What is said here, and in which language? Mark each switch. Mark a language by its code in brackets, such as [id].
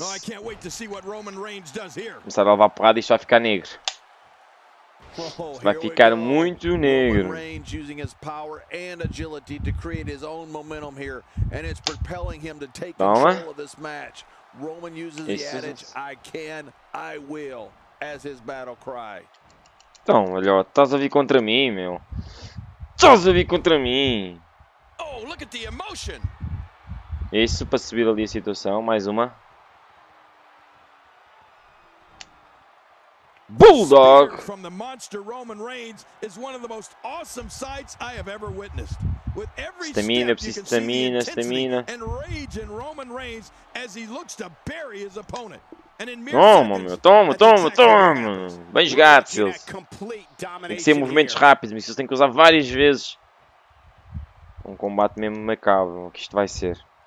[pt] Não sei se começar a levar porrada, isto vai ficar negro. Isto vai ficar muito negro. [en] Roman Reigns using his power and agility to create his own momentum here, and it's propelling him to take control of this match. Roman uses the adage "I can, I will" as his battle cry. [pt] Então, olha, estás a vir contra mim, meu. Estás a vir contra mim. [en] Oh, look at the emotion. [pt] Isso para subir ali a situação, mais uma. [en] Bulldog! From the monster Roman Reigns is one of the most awesome sights I have ever witnessed. With every stamina, step, stamina, stamina. And rage in Roman Reigns as he looks to bury his opponent. [pt] Toma, meu, toma, toma, toma! Bem jogado, Silas. Tem que ser movimentos rápidos, mas isso tem que usar várias vezes. Um combate mesmo macabro, o que isto vai ser.